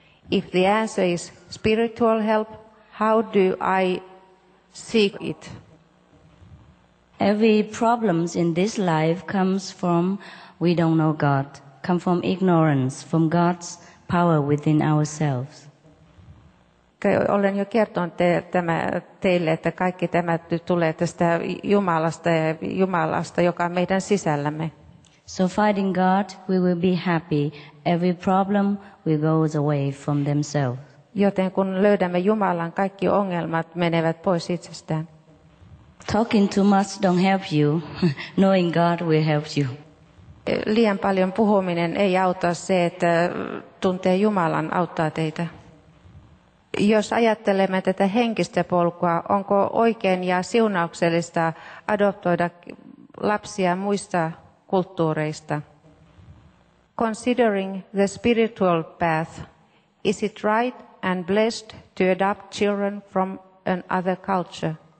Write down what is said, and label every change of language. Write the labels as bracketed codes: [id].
[en] If the answer is spiritual help, how do I seek it? Every problem in this life comes from we don't know God, come from ignorance, from God's power within ourselves. [fi] Olen jo kertonut tämä teille, että kaikki tämä tulee tästä Jumalasta ja Jumalasta, joka on meidän sisällämme. [en] So fighting God, we will be happy. Every problem will go away from themselves. [fi] Joten kun löydämme Jumalan, kaikki ongelmat menevät pois itsestään. [en] Talking too much don't help you. Knowing God will help you. [fi] Liian paljon puhuminen ei auta, se, että tuntee Jumalan auttaa teitä. Jos ajattelemme tätä henkistä polkua, onko oikein ja siunauksellista adoptoida lapsia muista kulttuureista? [en] Considering the spiritual path, is it right and blessed to adopt children from another culture?